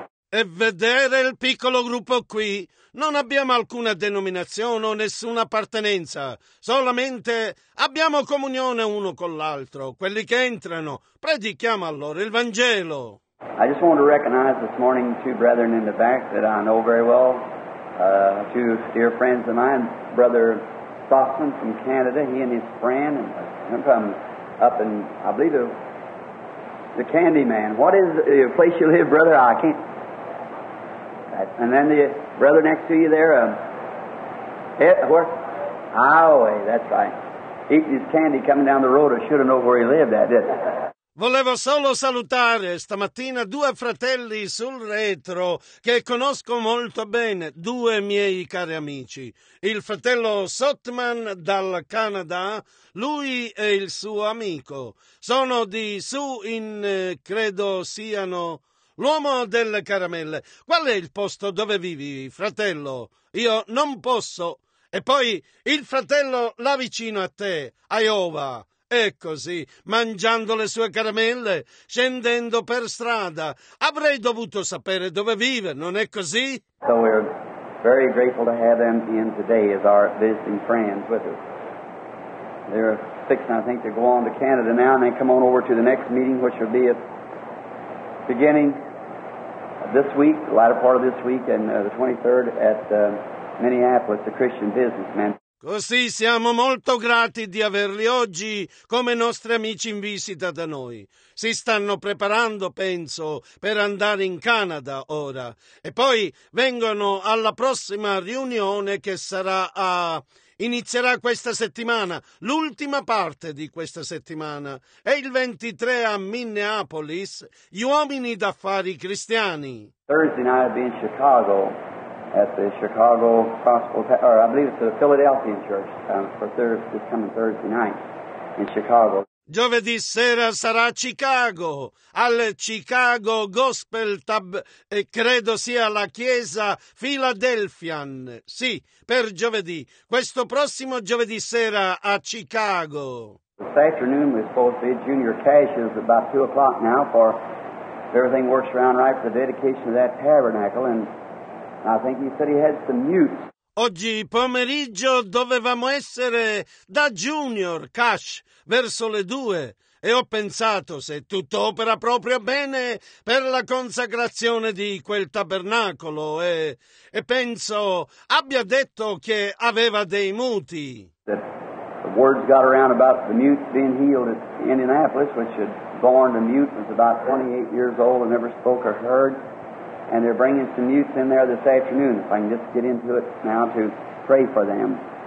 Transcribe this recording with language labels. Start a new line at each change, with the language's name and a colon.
Italian: E vedere il piccolo gruppo qui, non abbiamo alcuna denominazione o nessuna appartenenza, solamente abbiamo comunione uno con l'altro. Quelli che entrano, predichiamo allora il Vangelo.
English: I just want to recognize this morning two brethren in the back that I know very well, two dear friends of mine, Brother Stockman from Canada, he and his friend, and from up in, I believe it was, the candy man. What is the place you live, brother? I can't. That, and then the brother next to you there, where? Highway, that's right. Eating his candy coming down the road, I should have known where he lived at, didn't I?
Italian: Volevo solo salutare stamattina due fratelli sul retro che conosco molto bene, due miei cari amici. Il fratello Sotman dal Canada, lui e il suo amico. Sono di su in, credo siano, l'uomo delle caramelle. Qual è il posto dove vivi, fratello? Io non posso. E poi il fratello là vicino a te, Iowa. E così, mangiando le sue caramelle, scendendo per strada, avrei dovuto sapere dove vive, non è così?
English: So we're very grateful to have them in today as our visiting friends with us. They're fixing, I think, to go on to Canada now and then come on over to the next meeting, which will be at beginning this week, the latter part of this week, and the 23rd at Minneapolis, the Christian businessman.
Italian: Così siamo molto grati di averli oggi come nostri amici in visita da noi. Si stanno preparando, penso, per andare in Canada ora. E poi vengono alla prossima riunione che sarà a... inizierà questa settimana, l'ultima parte di questa settimana. È il 23 a Minneapolis, gli uomini d'affari cristiani.
English: Thursday night I'll be in Chicago. At the Chicago Gospel, or I believe it's the Philadelphia Church, for this coming Thursday night in Chicago.
Italian: Giovedì sera sarà a Chicago, al Chicago Gospel Tab, e credo sia la chiesa Philadelphian. Sì, per giovedì, questo prossimo giovedì sera a Chicago.
English: This afternoon we're supposed to be Junior Cash's about 2 o'clock now, for if everything works around right for the dedication of that tabernacle, and I think he said he had some mutes.
Italian: Oggi pomeriggio dovevamo essere da Junior Cash verso le 2 e ho pensato se tutto opera proprio bene per la consacrazione di quel tabernacolo e penso abbia detto che aveva dei muti.
English: The words got around about the mutes being healed at Indianapolis, which had borne a mute, was about 28 years old and never spoke or heard. And they're bringing some mutes in there this afternoon, if I can just get into it now to pray for them.